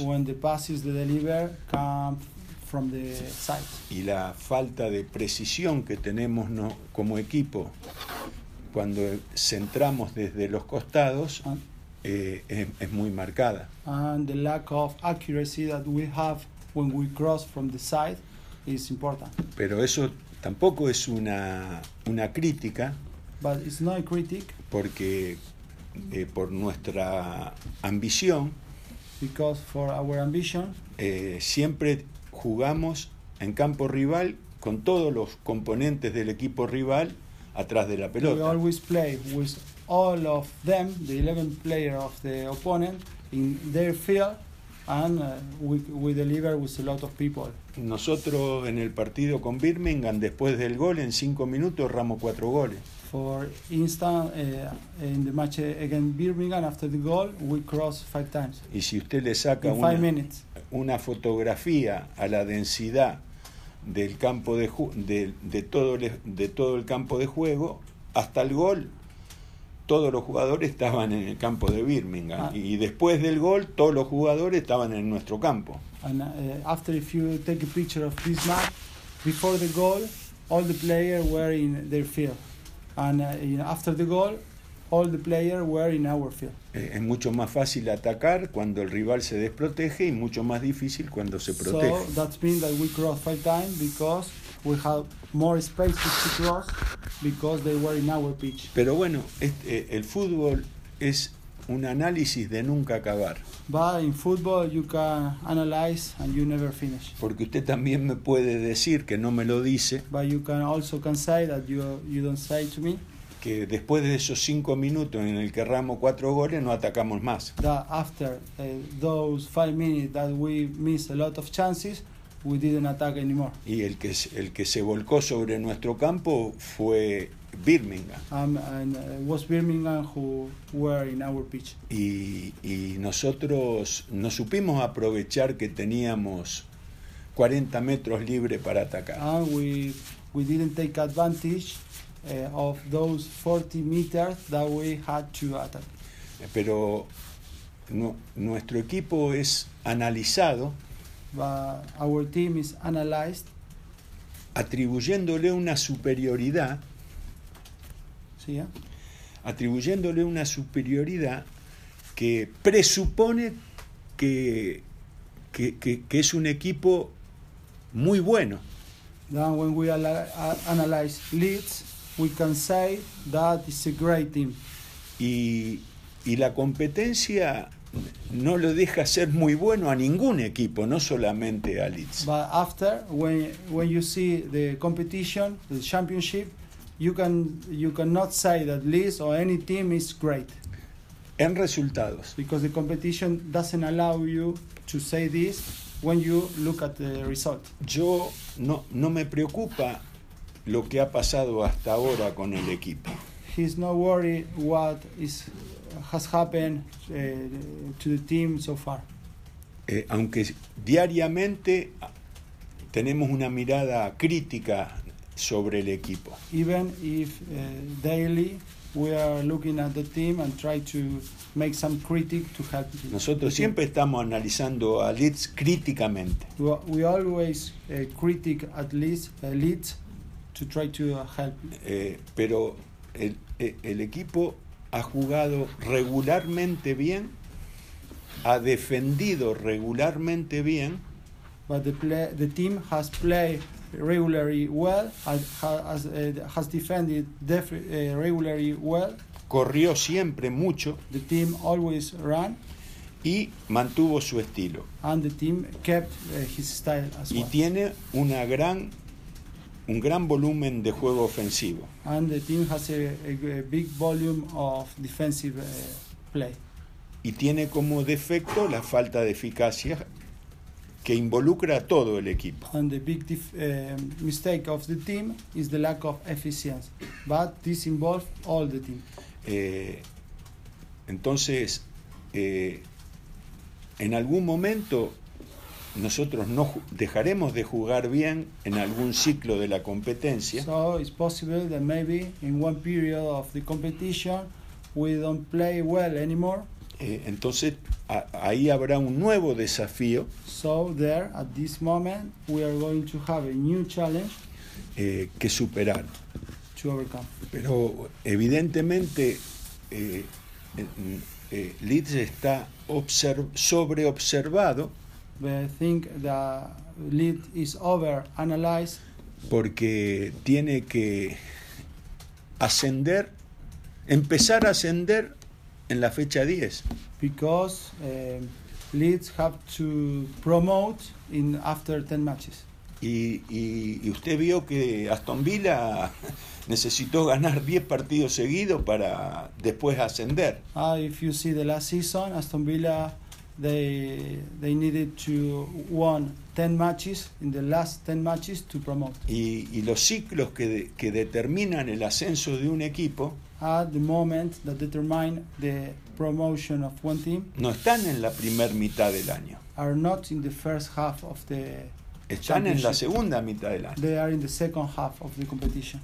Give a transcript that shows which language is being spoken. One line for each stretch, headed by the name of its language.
English: When the passes they deliver come from the side.
Spanish: Y la falta de precisión que tenemos como equipo cuando centramos desde los costados es muy marcada.
English: And the lack of accuracy that we have when we cross from the side is important.
Spanish: Pero eso tampoco es una crítica.
English: But it's not a critic.
Spanish: Porque por nuestra ambición,
English: because for our ambition,
Spanish: siempre jugamos en campo rival con todos los componentes del equipo rival atrás de la pelota.
English: We always play with all of them, the 11 players of the opponent in their field, and we deliver with a lot of people.
Spanish: Nosotros en el partido con Birmingham, después del gol en 5 minutos erramos 4 goles.
English: For instance, in the match against Birmingham, after the goal, we crossed 5 times.
Spanish: Y si usted le saca una fotografía a la densidad del campo de todo el campo de juego, hasta el gol, todos los jugadores estaban en el campo de Birmingham. Y después del gol, todos los jugadores estaban en nuestro campo.
English: And after, if you take a picture of this map, before the goal, all the players were in their field. And after the goal, all the players were in our field.
Spanish: Es mucho más fácil atacar cuando el rival se desprotege y mucho más difícil cuando se protege.
English: So that means that we crossed 5 times because we have more space to cross because they were in our pitch.
Spanish: Pero bueno, el fútbol es un análisis de nunca acabar.
English: But in football you can analyze and you never finish.
Spanish: Porque usted también me puede decir que no me lo dice.
English: But you can also can say that you don't say to me.
Spanish: Que después de esos 5 minutos en el que erramos 4 goles no atacamos más.
English: That after those 5 minutes that we miss a lot of chances, we didn't attack anymore.
Spanish: Y el que se volcó sobre nuestro campo fue Birmingham.
English: And was Birmingham who were in our pitch.
Spanish: Y nosotros no supimos aprovechar que teníamos 40 metros libre para atacar.
English: And we didn't take advantage of those 40 meters that we had to attack.
Spanish: Pero nuestro equipo es analizado.
English: But our team is analyzed.
Spanish: Atribuyéndole una superioridad. Sí, ¿eh? Atribuyéndole una superioridad que presupone que es un equipo muy bueno.
English: Then when we analyze Leeds, we can say that it's a great team.
Spanish: Y la competencia no lo deja ser muy bueno a ningún equipo, no solamente a Leeds.
English: But after when you see the competition, the championship, you cannot say that Leeds or any team is great.
Spanish: En resultados.
English: Because the competition doesn't allow you to say this when you look at the result.
Spanish: Yo no me preocupa lo que ha pasado hasta ahora con el equipo.
English: He's not worried what is has happened to the team so far?
Spanish: Aunque diariamente tenemos una mirada crítica sobre el equipo.
English: Even if daily we are looking at the team and try to make some critic to help.
Spanish: Nosotros siempre estamos analizando a Leeds críticamente.
English: We always critic at least Leeds to try to help.
Spanish: Pero el equipo ha jugado regularmente bien, ha defendido regularmente bien.
English: But the team has played regularly well, has defended regularly well.
Spanish: Corrió siempre mucho.
English: The team always ran.
Spanish: Y mantuvo su estilo.
English: And the team kept his style as
Spanish: y
English: well.
Spanish: Y tiene un gran volumen de juego ofensivo.
English: And the team has a big volume of defensive play.
Spanish: Y tiene como defecto la falta de eficacia que involucra a todo el equipo.
English: And the big mistake of the team is the lack of efficiency, but this involves all the team.
Spanish: Entonces, en algún momento nosotros no dejaremos de jugar bien en algún ciclo de la competencia.
English: So it's possible that maybe in one period of the competition we don't play well anymore.
Spanish: Entonces ahí habrá un nuevo desafío.
English: So there, at this moment, we are going to have a new challenge
Spanish: que superar.
English: To overcome.
Spanish: Pero evidentemente Leeds está sobreobservado.
English: But I think that Leeds is overanalyzed.
Spanish: Porque tiene que ascender, empezar a ascender en la fecha 10.
English: Because Leeds have to promote in after 10 matches.
Spanish: Y usted vio que Aston Villa necesitó ganar 10 partidos seguidos para después ascender.
English: If you see the last season, Aston Villa they needed to win 10 matches in the last 10 matches to promote.
Spanish: Y los ciclos que determinan el ascenso de un equipo
English: at the moment that determine the promotion of one team
Spanish: no están en la primer mitad del año.
English: Are not in the first half of the
Spanish: están en la segunda mitad del año.
English: They are in the second half of the competition.